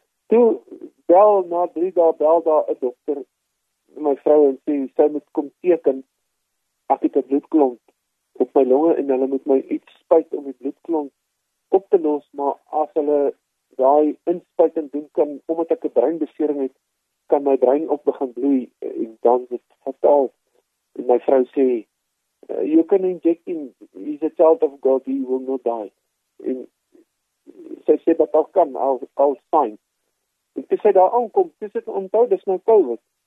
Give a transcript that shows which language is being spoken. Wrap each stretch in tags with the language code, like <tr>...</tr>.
<af>Toe bel na 3 dae bel daar 'n dokter my vrou en sê sy moet kom teken ek het 'n bloedklont op my longe en hulle moet my iets spuit om die bloedklont op te los maar as hulle daai inspuiting doen kan omdat ek 'n breinbesering het kan my brein op begin bloei en dan is dit fataal. En my vrou sê,</af> <en>you can inject him, he's a child of God, he will not die. En</en> <af>sy sê dat al kan, al fijn. En toe sy daar aankom, toe sy onthou, dis nou COVID.</af>